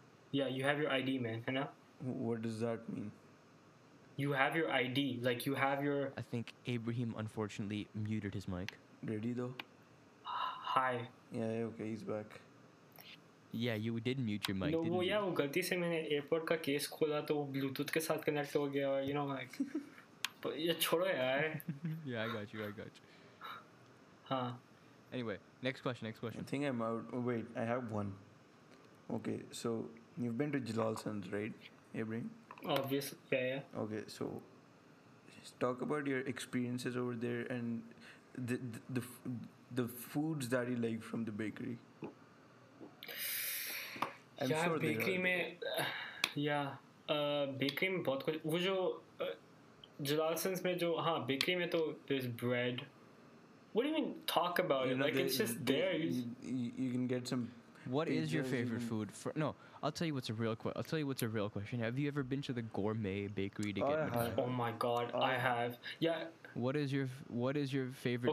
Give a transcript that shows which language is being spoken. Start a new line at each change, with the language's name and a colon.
English: Yeah, you have your ID, man, Hannah. What does that mean? You have your ID. Like, you have your... I think Abrahim, unfortunately, muted his mic. Ready, though? Hi. Yeah, okay, he's back. Yeah, you did mute your mic, no, yeah,
Urdu: وہ غلطی سے میں نے airport کا case کھولا، تو وہ Bluetooth کے ساتھ connect ہو گیا،
English: you know, like... But
Urdu: یہ چھوڑو یار۔
English: Yeah, I got you. Huh. Anyway, next question. I think I'm out. Oh, wait, I have one. Okay, so you've been to Jalalsons, right, Abrahim? Obviously, yeah. Okay, so just talk about your experiences over there and the foods that you like from the bakery. I'm yeah, sure
Urdu: bakery میں، yeah، bakery میں بہت کچھ۔ وہ جو جلالسنز میں جو، ہاں، bakery میں تو
English: there's bread. What do you mean, talk about you it? Know, like, it's just there. You can get some... What is your favorite food? I'll tell you what's a real question. Have you ever been to the gourmet bakery to get... Oh, my God, I have. Yeah. What is your favorite...